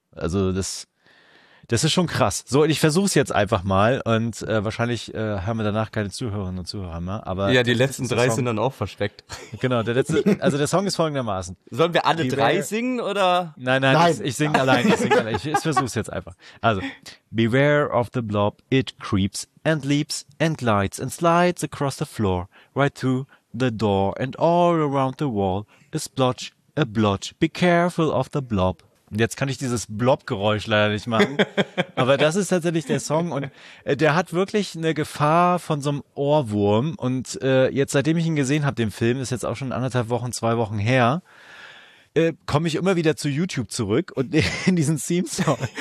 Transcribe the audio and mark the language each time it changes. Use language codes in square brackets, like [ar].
[de] Also das ist schon krass. So, und ich versuche es jetzt einfach mal und wahrscheinlich haben wir danach keine Zuhörerinnen und Zuhörer mehr. Aber ja, die letzten drei sind dann auch versteckt. Genau, der Song ist folgendermaßen. Sollen wir alle drei singen oder? Nein. Ich singe allein. Ich versuche es jetzt einfach. [en] Also, beware of the blob, it creeps and leaps and glides and slides across the floor right to the door and all around the wall is blotch, a blotch. Be careful of the blob. [de] Jetzt kann ich dieses Blob-Geräusch leider nicht machen. Aber das ist tatsächlich der Song und der hat wirklich eine Gefahr von so einem Ohrwurm. Und jetzt, seitdem ich ihn gesehen habe, den Film, ist jetzt auch schon anderthalb Wochen, zwei Wochen her, komme ich immer wieder zu YouTube zurück und in diesen Theme-Song.